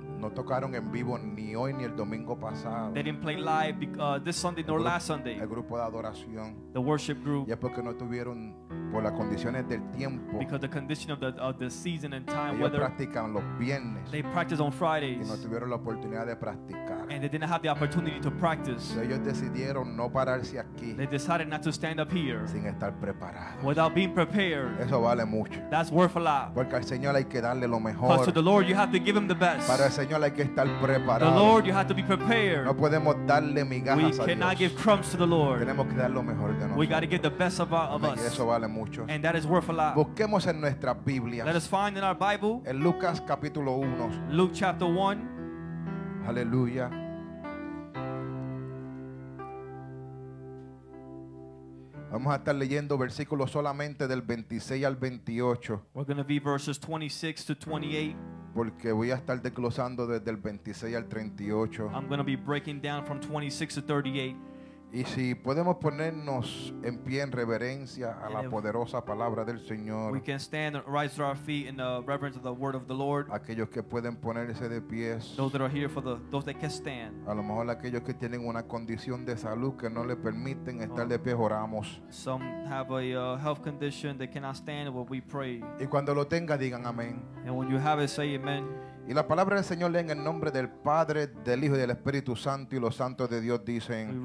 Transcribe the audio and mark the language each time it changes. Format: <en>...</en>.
<es>No tocaron en vivo ni hoy ni el domingo pasado.</es> <en>They didn't play live this Sunday nor last Sunday.</en> <es>El grupo de adoración.</es> <en>The worship group.</en> <es>Y es porque no tuvieron por las condiciones del tiempo.</es> <en>Because the condition of the season and time.</en> <es>Ellos practican los viernes.</es> <en>They practice on Fridays.</en> <es>Y no tuvieron la oportunidad de practicar.</es> <en>And they didn't have the opportunity to practice.</en> <es>Ellos decidieron no pararse aquí.</es> <en>They decided not to stand up here.</en> <es>Sin estar preparados.</es> <en>Without being prepared.</en> <es>Eso vale mucho.</es> <en>That's worth a lot.</en> <es>Porque al Señor hay que darle lo mejor.</es> <en>Because to the Lord you have to give him the best.</en> <es>Para el Señor hay que estar preparado.</es> <en>The Lord, you have to be prepared.</en> <es>No podemos darle migajas a Dios.</es> <en>We cannot give crumbs to the Lord.</en> <es>Tenemos que dar lo mejor de nosotros.</es> <en>We got to give the best of us.</en> <es>Y eso vale mucho.</es> <en>And that is worth a lot.</en> <es>Busquemos en nuestras Biblias.</es> <en>Let us find in our Bible.</en> <es>En Lucas capítulo 1.</es> <en>Luke chapter 1.</en> <es>Aleluya. Vamos a estar leyendo versículos solamente del 26 al 28.</es> <en>We're going to be verses 26 to 28.</en> <es>Porque voy a estar desglosando desde el 26 al 38.</es> <en>I'm going to be breaking down from 26 to 38.</en> <es>Y si podemos ponernos en pie en reverencia a la poderosa palabra del Señor.</es> <en>We can stand and rise to our feet in the reverence of the word of the Lord.</en> <es>Aquellos que pueden ponerse de pies.</es> <en>Those that are here for those that can stand.</en> <es>A lo mejor aquellos que tienen una condición de salud que no le permiten estar de pie, oramos.</es> <en>Some have a health condition that cannot stand, but we pray.</en> <es>Y cuando lo tenga, digan amén.</es> <en>And when you have it, say amen.</en> <es>Y la palabra del Señor lee en el nombre del Padre, del Hijo y del Espíritu Santo y los santos de Dios dicen.</es>